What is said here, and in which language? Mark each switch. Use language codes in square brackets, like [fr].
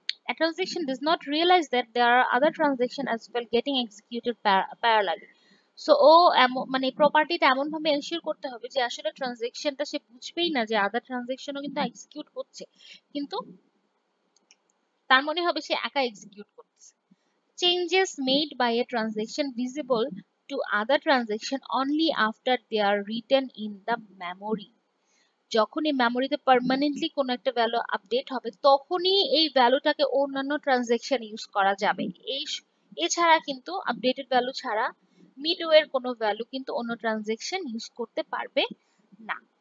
[en] a transaction does not realize that there are other transactions as well getting executed parallelly, [bn] so ও মানে প্রপার্টিটা এমন ভাবে ensure করতে হবে যে আসলে ট্রানজেকশনটা সে বুঝবেই না যে আদার ট্রানজেকশনও কিন্তু এক্সিকিউট করছে, কিন্তু তার মনে হবে সে একা এক্সিকিউট করছে। [en] Changes made by a transaction visible to other transaction only after they are written in the memory. [bn] যখনই মেমোরিতে পার্মানেন্টলি কোন একটা ভ্যালু আপডেট হবে তখনই এই ভ্যালুটাকে অন্যান্য ট্রানজেকশন ইউজ করা যাবে, এই এছাড়া কিন্তু আপডেটেড ভ্যালু ছাড়া মিডওয়ের কোনো ভ্যালু কিন্তু অন্য ট্রানজেকশন ইউজ করতে পারবে না।